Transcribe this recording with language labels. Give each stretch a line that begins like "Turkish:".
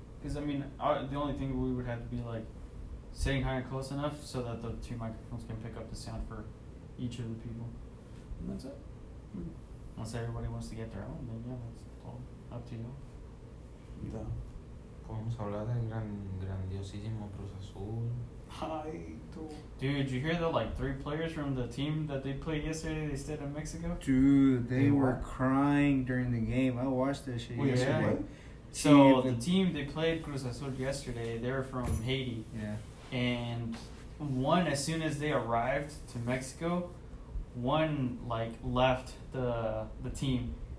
English: Because, I mean, the only thing we would have to be, like, sitting high and close enough so that the two microphones can pick up the sound for each of the people. And that's it. Mm-hmm. Unless everybody wants to get their own, then, yeah, that's all up to you. Yeah.
Spanish: Podemos hablar del grandiosísimo Cruz Azul.
English: Hi, dude. Dude, you hear the like three players from the team that they played yesterday? They stayed in Mexico. Dude, they were crying during the game. I watched that shit yesterday. Yeah. So the team they played Cruz Azul yesterday, they were from Haiti. Yeah. And one, as soon as they arrived to Mexico, one like left the team.